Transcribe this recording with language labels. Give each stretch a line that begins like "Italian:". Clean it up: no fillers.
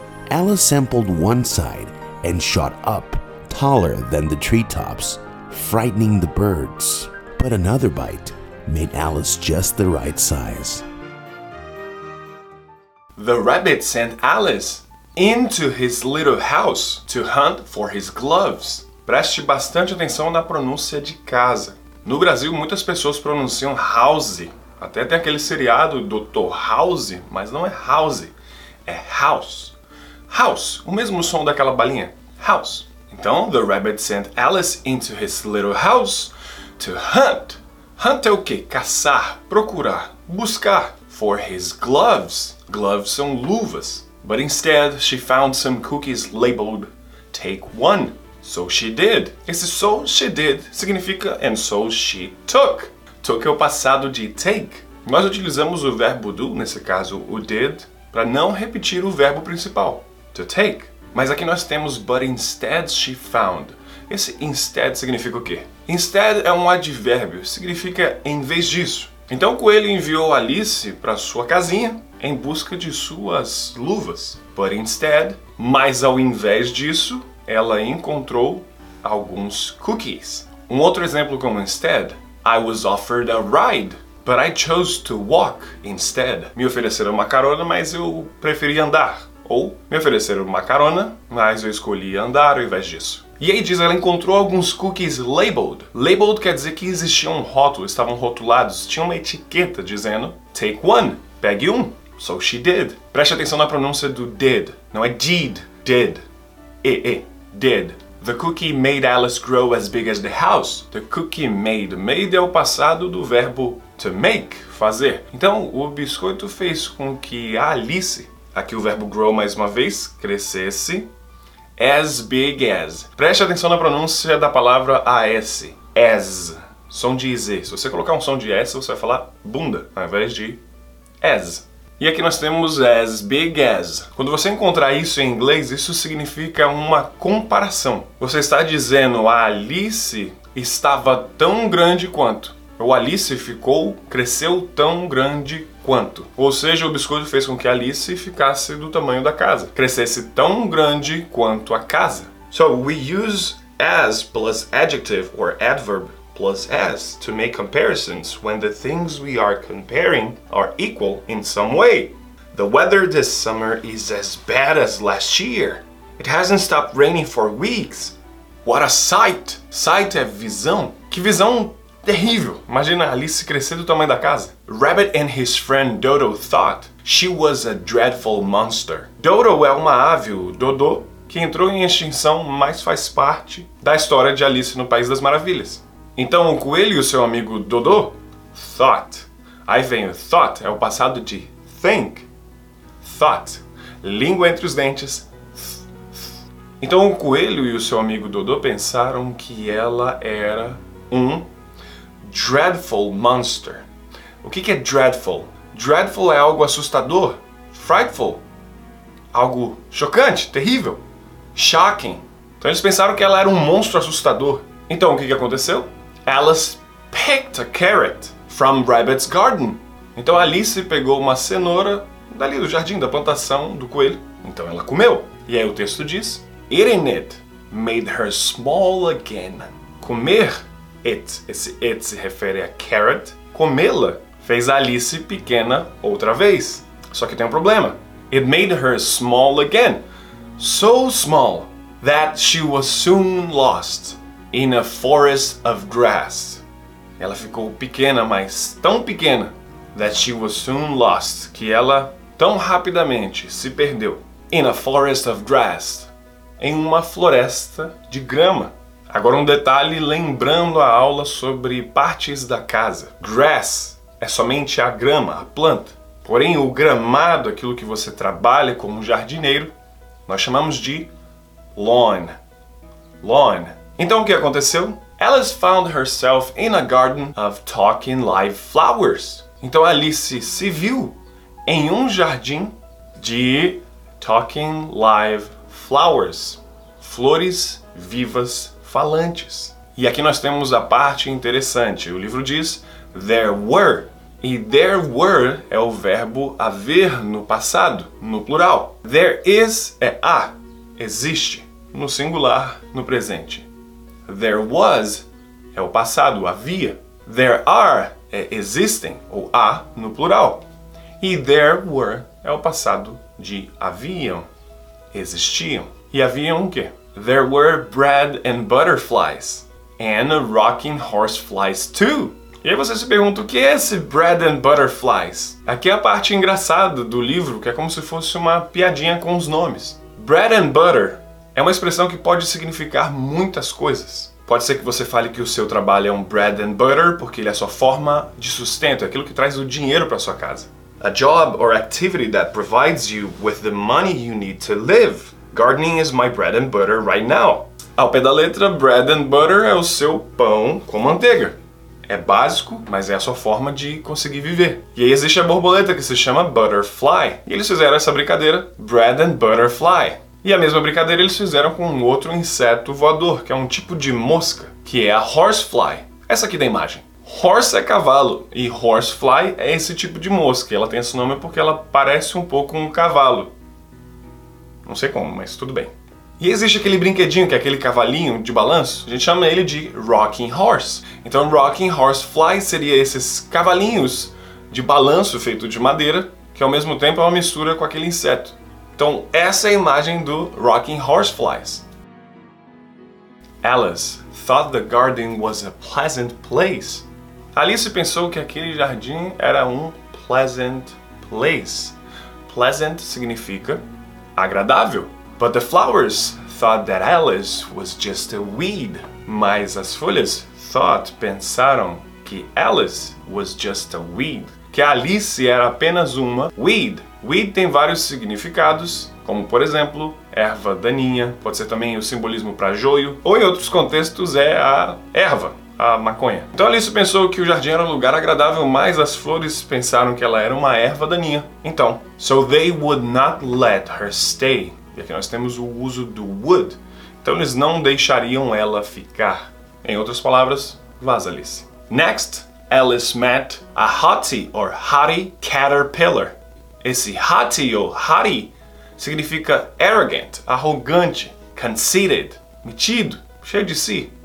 English: Alice sampled one side and shot up, taller than the treetops, frightening the birds. But another bite made Alice just the right size. The rabbit sent Alice into his little house to hunt for his gloves.
Portuguese: Preste bastante atenção na pronúncia de casa. No Brasil, muitas pessoas pronunciam house. Até tem aquele seriado Dr. House, mas não é house, é house. House, o mesmo som daquela balinha, house.
English: Então, the rabbit sent Alice into his little house to hunt.
Portuguese: Hunt é o quê? Caçar, procurar, buscar.
English: For his gloves.
Portuguese: Gloves são luvas.
English: But instead, she found some cookies labeled, take one. So she did.
Portuguese: Esse
English: so she did significa and so she took.
Portuguese: Took é o passado de take. Nós utilizamos o verbo do, nesse caso o did, para não repetir o verbo principal, to take. Mas aqui nós temos
English: but instead she found.
Portuguese: Esse instead significa o quê? Instead é um advérbio, significa em vez disso. Então o coelho enviou Alice para sua casinha em busca de suas luvas.
English: But instead,
Portuguese: mas ao invés disso, ela encontrou alguns cookies. Um outro exemplo como instead.
English: I was offered a ride, but I chose to walk instead.
Portuguese: Me ofereceram uma carona, mas eu preferi andar. Ou me ofereceram uma carona, mas eu escolhi andar ao invés disso. E aí diz, ela encontrou alguns cookies labeled. Labeled quer dizer que existia um rótulo, estavam rotulados. Tinha uma etiqueta dizendo,
English: take one,
Portuguese: pegue um.
English: So she did.
Portuguese: Preste atenção na pronúncia do did. Não é did, did. E-e, did.
English: The cookie made Alice grow as big as the house. The cookie made.
Portuguese: Made é o passado do verbo to make, fazer. Então, o biscoito fez com que a Alice, aqui o verbo grow mais uma vez, crescesse. As big as. Preste atenção na pronúncia da palavra AS. As. Som de Z. Se você colocar um som de S, você vai falar bunda, ao invés de as. E aqui nós temos
English: as big as.
Portuguese: Quando você encontrar isso em inglês, isso significa uma comparação. Você está dizendo a Alice estava tão grande quanto. Ou Alice ficou, cresceu tão grande quanto. Ou seja, o biscoito fez com que Alice ficasse do tamanho da casa. Crescesse tão grande quanto a casa.
English: So we use as plus adjective or adverb plus as to make comparisons when the things we are comparing are equal in some way. The weather this summer is as bad as last year. It hasn't stopped raining for weeks. What a sight!
Portuguese: Sight é visão. Que visão terrível! Imagina Alice crescer do tamanho da casa.
English: Rabbit and his friend Dodo thought she was a dreadful monster.
Portuguese: Dodo é uma ave, o Dodo, que entrou em extinção, mas faz parte da história de Alice no País das Maravilhas. Então o coelho e o seu amigo Dodo thought. Aí vem o thought, é o passado de think. Thought. Língua entre os dentes. Então o coelho e o seu amigo Dodo pensaram que ela era um
English: dreadful monster.
Portuguese: O que é dreadful? Dreadful é algo assustador. Frightful. Algo chocante, terrível. Shocking. Então eles pensaram que ela era um monstro assustador. Então o que aconteceu?
English: Alice picked a carrot from Rabbit's garden.
Portuguese: Então Alice pegou uma cenoura dali do jardim, da plantação do coelho. Então ela comeu. E aí o texto diz,
English: eating it made her small again.
Portuguese: Comer it, esse it se refere a carrot, comê-la fez a Alice pequena outra vez. Só que tem um problema.
English: It made her small again. So small that she was soon lost in a forest of grass.
Portuguese: Ela ficou pequena, mas tão pequena
English: that she was soon lost,
Portuguese: que ela tão rapidamente se perdeu
English: in a forest of grass,
Portuguese: em uma floresta de grama. Agora um detalhe, lembrando a aula sobre partes da casa. Grass é somente a grama, a planta. Porém, o gramado, aquilo que você trabalha como jardineiro, nós chamamos de lawn. Lawn. Então, o que aconteceu?
English: Alice found herself in a garden of talking live flowers.
Portuguese: Então, Alice se viu em um jardim de
English: talking live flowers.
Portuguese: Flores vivas falantes. E aqui nós temos a parte interessante. O livro diz,
English: there were.
Portuguese: E there were é o verbo haver no passado, no plural. There is é a, existe, no singular, no presente. There was é o passado, havia. There are é existem, ou há, no plural. E there were é o passado de haviam, existiam. E haviam o quê?
English: There were bread and butterflies and rocking horseflies too.
Portuguese: E aí você se pergunta, o que é esse bread and butterflies? Aqui é a parte engraçada do livro, que é como se fosse uma piadinha com os nomes. Bread and butter é uma expressão que pode significar muitas coisas. Pode ser que você fale que o seu trabalho é um bread and butter, porque ele é a sua forma de sustento, é aquilo que traz o dinheiro para sua casa.
English: A job or activity that provides you with the money you need to live. Gardening is my bread and butter right now.
Portuguese: Ao pé da letra, bread and butter é o seu pão com manteiga. É básico, mas é a sua forma de conseguir viver. E aí existe a borboleta, que se chama butterfly. E eles fizeram essa brincadeira, bread and butterfly. E a mesma brincadeira eles fizeram com um outro inseto voador, que é um tipo de mosca, que é a horsefly. Essa aqui da imagem. Horse é cavalo, e horsefly é esse tipo de mosca. Ela tem esse nome porque ela parece um pouco um cavalo. Não sei como, mas tudo bem. E existe aquele brinquedinho, que é aquele cavalinho de balanço, a gente chama ele de rocking horse. Então rocking horse fly seria esses cavalinhos de balanço feito de madeira, que ao mesmo tempo é uma mistura com aquele inseto. Então essa é a imagem do rocking horse flies.
English: Alice thought the garden was a pleasant place.
Portuguese: Alice pensou que aquele jardim era um
English: pleasant place.
Portuguese: Pleasant significa agradável.
English: But the flowers thought that Alice was just a weed.
Portuguese: Mas as folhas thought, pensaram, que Alice
English: was just a weed.
Portuguese: Que Alice era apenas uma weed. Weed tem vários significados, como por exemplo, erva daninha. Pode ser também o simbolismo para joio. Ou em outros contextos é a erva, a maconha. Então Alice pensou que o jardim era um lugar agradável, mas as flores pensaram que ela era uma erva daninha.
English: Então, so they would not let her stay.
Portuguese: E aqui nós temos o uso do would. Então eles não deixariam ela ficar. Em outras palavras, vaza, Alice.
English: Next, Alice met a hottie or hottie caterpillar.
Portuguese: Esse hottie ou hottie significa arrogant, arrogante, conceited, metido, cheio de si.